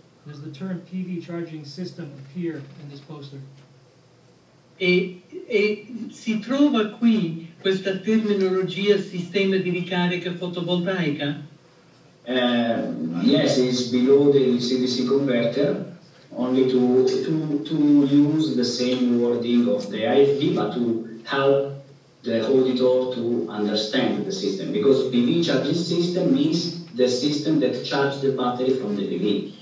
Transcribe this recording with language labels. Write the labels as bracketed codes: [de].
[en] Does the term PV charging system appear in this poster? [it] E si trova qui questa terminologia sistema di ricarica fotovoltaica? [en] Yes, it's below the DC-DC converter, only to use the same wording of the IFV, but to help the auditor to understand the system. Because PV charging system means the system that charges the battery from the PV.